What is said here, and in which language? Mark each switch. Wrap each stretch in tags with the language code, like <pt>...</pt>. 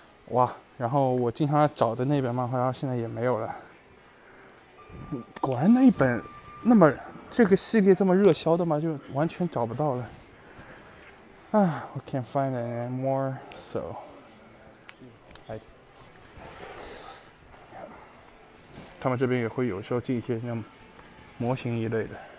<zh>哇，然后我经常找的那本漫画，然后现在也没有了。果然那一本那么这个系列这么热销的吗？就完全找不到了。</zh> <en>啊，we can't find any more, so.</en> <zh>他们这边也会有时候进一些像模型一类的。</zh>